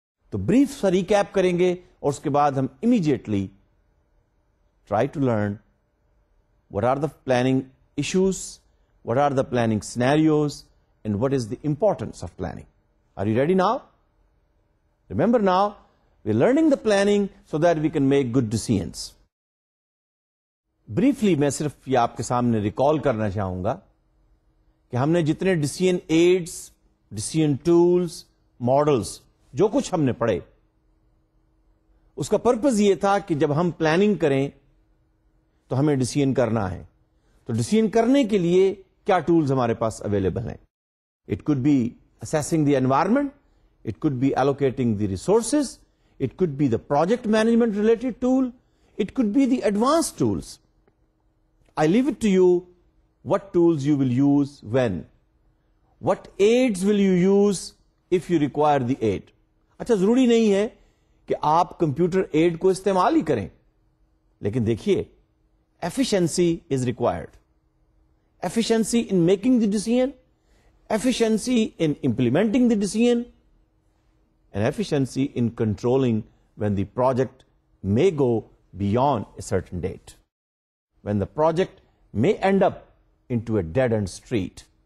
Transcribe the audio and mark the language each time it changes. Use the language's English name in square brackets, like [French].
[Urdu] To brief sa recap karenge aur uske baad hum [English] immediately try to learn what are the planning issues, what are the planning scenarios, and what is the importance of planning. Are you ready now? Remember now, we're learning the planning so that we can make good decisions. [Urdu] Briefly میں صرف یہ آپ کے سامنے recall کرنا چاہوں گا کہ ہم نے جتنے decision AIDS, decision tools, models جو کچھ ہم نے پڑھے, اس کا پرپز یہ تھا کہ جب ہم پلاننگ کریں تو ہمیں ڈیسیژن کرنا ہے, تو ڈیسیژن کرنے کے لیے کیا ٹولز ہمارے پاس اویلیبل ہیں. [English] It could be assessing the environment, it could be allocating the resources, it could be the project management related tool, it could be the advance tools. I leave it to you what tools you will use when. What aids will you use if you require the aid. [Urdu] اچھا ضروری نہیں ہے کہ آپ computer add کو استعمال ہی کریں, لیکن دیکھیے [English] efficiency is required. Efficiency in making the decision, efficiency in implementing the decision, and efficiency in controlling when the project may go beyond a certain date. When the project may end up into a dead-end street.